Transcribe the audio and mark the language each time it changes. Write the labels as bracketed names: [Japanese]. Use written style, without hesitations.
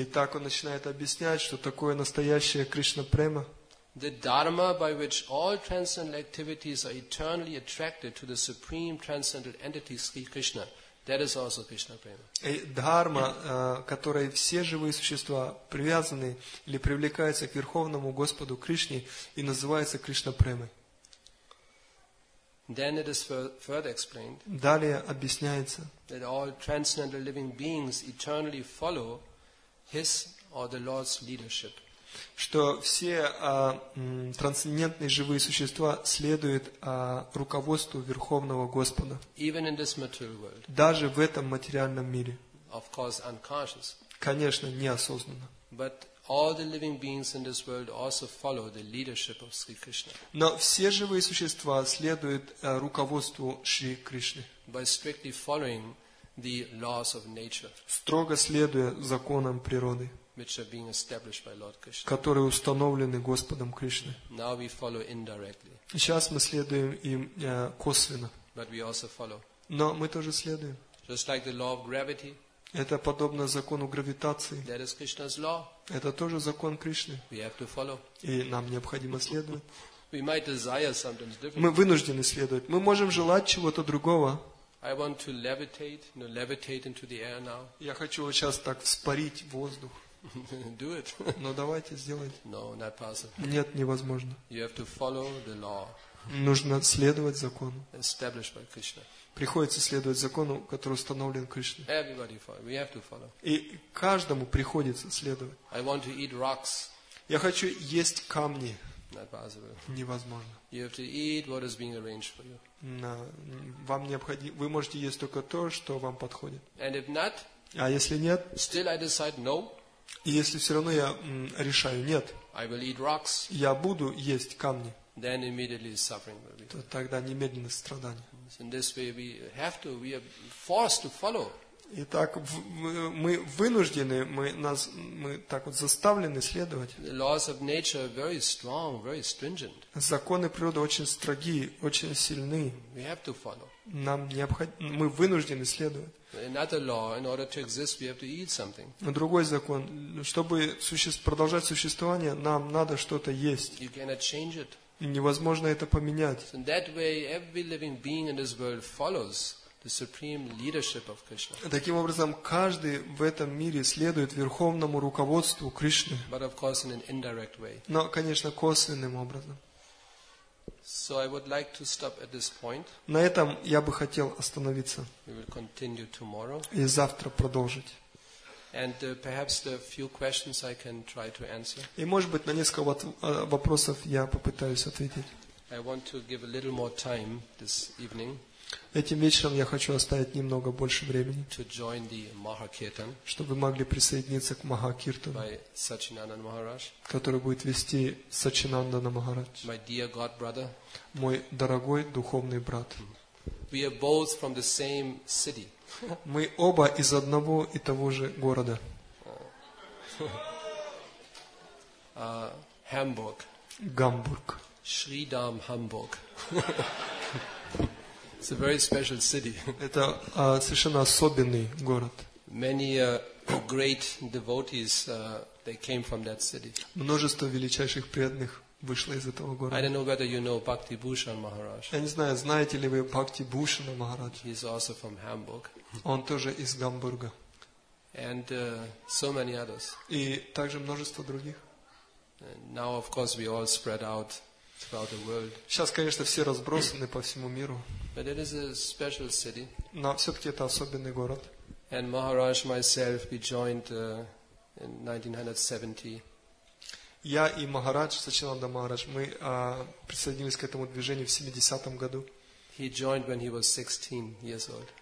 [Russian] И так он начинает объяснять, что такое настоящая Кришна према. [English] The dharma by which all transcendental activities are eternally attracted to the supreme transcendental entity Sri Krishna. That is also Krishna prema. [Russian] И дхарма, которой все живые существа привязаны или привлекаются к Верховному Господу Кришне и называется Кришна премой. [English] Then it is further explained. [Russian] Далее объясняется. [English] That all transcendental living beings eternally follow his or the Lord's leadership. [Russian] Что все трансцендентные живые существа следуют руководству Верховного Господа. [English] Even in this material world. [Russian] Даже в этом материальном мире. [English] Of course, unconscious. [Russian] Конечно, неосознанно. [English] But all the living beings in this world also follow the leadership of Sri Krishna. [Russian] Но все живые существа следуют руководству Шри Кришны. [English] By strictly following the laws of nature. [Russian] Строго следуя законам природы. [English] Which are being established by Lord Krishna. [Russian] Которые установлены Господом Кришной. [English] Now we follow indirectly. [Russian] Сейчас мы следуем им косвенно. [English] But we also follow. [Russian] Но мы тоже следуем. [English] Just like the law of gravity. [Russian] Это подобно закону гравитации. [English] That is Krishna's law. [Russian] Это тоже закон Кришны. [English] We have to follow. [Russian] И нам необходимо следовать. [English] We might desire sometimes different. [Russian] Мы вынуждены следовать. Мы можем желать чего-то другого. [English] I want to levitate, you know, levitate into the air now. [Russian] Я хочу вот сейчас так вспарить воздух. [English] Do it. [Russian] Но давайте сделать. [English] No, not possible. [Russian] Нет, невозможно. [English] You have to follow the law. [Russian] Нужно следовать закону. [English] Established by Krishna. [Russian] Приходится следовать закону, который установлен Кришной. [English] Everybody follow. We have to follow. [Russian] И каждому приходится следовать. [English] I want to eat rocks. [Russian] Я хочу есть камни. [English] Not possible. [Russian] Невозможно. [English] You have to eat what is being arranged for you. [Russian] No. Вам необходимо. Вы можете есть только то, что вам подходит. [English] And if not, [Russian] а если нет, [English] still I decide no. [Russian] И если все равно я решаю нет, [English] I will eat rocks, [Russian] я буду есть камни, [English] then immediately suffering will be. [Russian] То тогда немедленно страдание. [English] So in this way we have to, we are forced to follow. [Russian] Итак, мы вынуждены, мы так вот заставлены следовать. [English] The laws of nature are very strong, very stringent. [Russian] Законы природы очень строги, очень сильны. [English] We have to follow. [Russian] Нам мы вынуждены следовать. [English] Another law, in order to exist, we have to eat something. [Russian] Другой закон, чтобы продолжать существование, нам надо что-то есть. [English] You cannot change it. [Russian] Невозможно это поменять. [English] So in that way, every living being in this world follows. The supreme leadership of Krishna. [Russian] Таким образом, каждый в этом мире следует верховному руководству Кришны. [English] But of course, in an indirect way. [Russian] Но, конечно, косвенным образом. [English] So I would like to stop at this point. [Russian] На этом я бы хотел остановиться. [English] We will continue tomorrow. [Russian] И завтра продолжить. [English] And perhaps the few questions I can try to answer. [Russian] И, может быть, на несколько вопросов я попытаюсь ответить. [English] I want to give a little more time this evening. [Russian] Этим вечером я хочу оставить немного больше времени, [English] to join the Mahakirtan, [Russian] чтобы вы могли присоединиться к Махакиртану, [English] by Sachinandana Maharaj, [Russian] который будет вести Сачинандана Махарадж, [English] my dear God brother, [Russian] мой дорогой духовный брат. [English] We are both from the same city. [Russian] Мы оба из одного и того же города. [English] Hamburg. [Russian] Гамбург. Шридам Хамбург. [English] It's a very special city. [Russian] Это совершенно особенный город. [English] Many great devotees they came from that city. [Russian] Множество величайших преданных вышло из этого города. [English] I don't know whether you know Bhakti Bhushan Maharaj. [Russian] Я не знаю, знаете ли вы Бхакти Бхушана Махараджа? [English] He's also from Hamburg. [Russian] Он тоже из Гамбурга. [English] And so many others. [Russian] И также множество других. [English] Now of course we all spread out throughout the world. [Russian] Сейчас, конечно, все разбросаны по всему миру. [English] But it is a special city. [Russian] Но все-таки это особенный город. [English] And Maharaj myself, we joined in 1970. [Russian] Я и Махарадж, Сачинанда Махарадж, мы присоединились к этому движению в 70-м году. [English] He joined when he was 16 years old.